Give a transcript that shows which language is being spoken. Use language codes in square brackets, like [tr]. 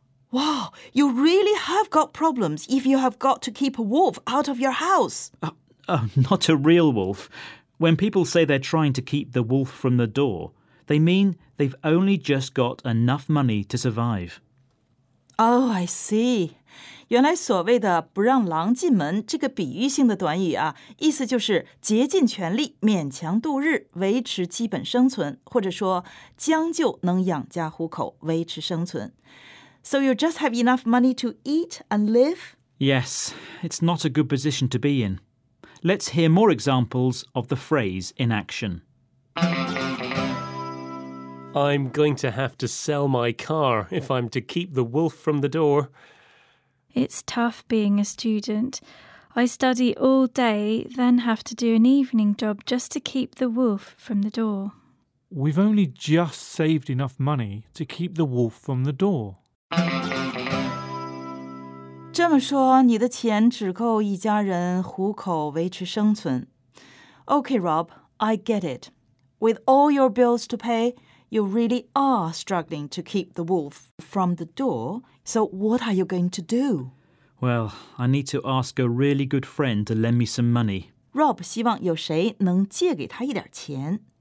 [en] Wow, you really have got problems if you have got to keep a wolf out of your house. Not a real wolf. When people say they're trying to keep the wolf from the door, they mean they've only just got enough money to survive. Oh, I see. [zh] 原来所谓的不让狼进门这个比喻性的短语啊，意思就是竭尽全力勉强度日，维持基本生存，或者说将就能养家糊口，维持生存。 [en] So you just have enough money to eat and live? Yes, it's not a good position to be in. Let's hear more examples of the phrase in action. I'm going to have to sell my car if I'm to keep the wolf from the door. It's tough being a student. I study all day, then have to do an evening job just to keep the wolf from the door. We've only just saved enough money to keep the wolf from the door. [zh] 这么说，你的钱只够一家人糊口维持生存。 [en] Okay, Rob, I get it. With all your bills to pay... You really are struggling to keep the wolf from the door. So what are you going to do? Well, I need to ask a really good friend to lend me some money. [zh] Rob 希望有谁能借给他一点钱。